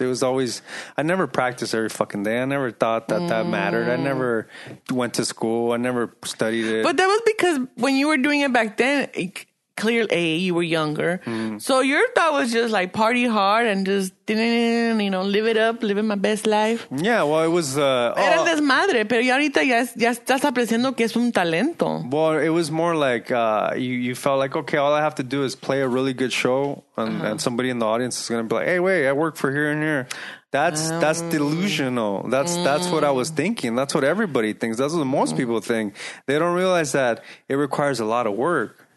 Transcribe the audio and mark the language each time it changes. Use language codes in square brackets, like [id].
[en] It was always, I never practiced every fucking day. I never thought that mattered. I never went to school. I never studied it. But that was because when you were doing it back then, clearly, you were younger. Mm-hmm. So your thought was just like party hard and just, you know, live it up, living my best life. Yeah, well, it was... [es] Era el desmadre, pero ya ahorita ya estás apreciando que es un talento. [en] Well, it was more like you felt like, okay, all I have to do is play a really good show and somebody in the audience is going to be like, hey, wait, I work for here and here. That's delusional. That's what I was thinking. That's what everybody thinks. That's what most people think. They don't realize that it requires a lot of work.